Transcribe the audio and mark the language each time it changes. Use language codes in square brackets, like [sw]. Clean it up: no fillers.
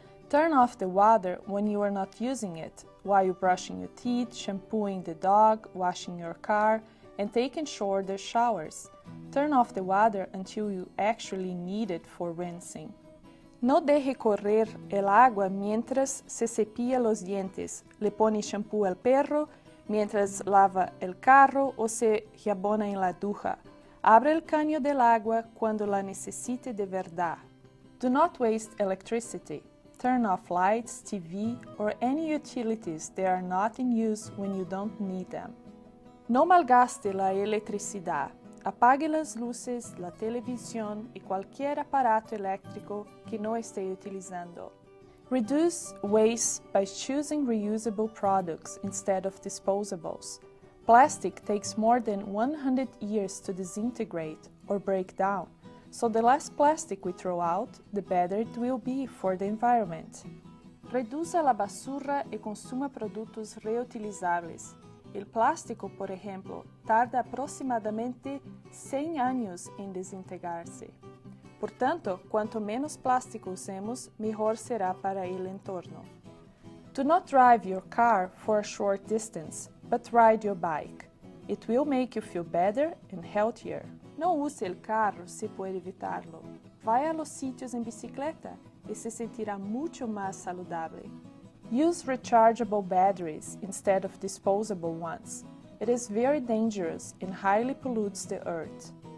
[en] Turn off the water when you are not using it, while you're brushing your teeth, shampooing the dog, washing your car, and taking shorter showers. Turn off the water until you actually need it for rinsing. [es] No deje correr el agua mientras se cepilla los dientes, le pone shampoo al perro, mientras lava el carro o se jabona en la ducha. Abre el caño del agua cuando la necesite de verdad. [en] Do not waste electricity. Turn off lights, TV, or any utilities that are not in use when you don't need them. [es] No malgaste la electricidad. Apague las luces, la televisión y cualquier aparato eléctrico que no esté utilizando. [en] Reduce waste by choosing reusable products instead of disposables. Plastic takes more than 100 years to disintegrate or break down. So the less plastic we throw out, the better it will be for the environment. [es] Reduza la basura y consuma productos reutilizables. El plástico, por ejemplo, tarda aproximadamente 100 años en desintegrarse. Por tanto, cuanto menos plástico usemos, mejor será para el entorno. [en] Do not drive your car for a short distance, but ride your bike. It will make you feel better and healthier. [es] No use el carro si puede evitarlo. Vaya a los sitios en bicicleta y se sentirá mucho más saludable. [en] Use rechargeable batteries instead of disposable ones. It is very dangerous and highly pollutes the earth.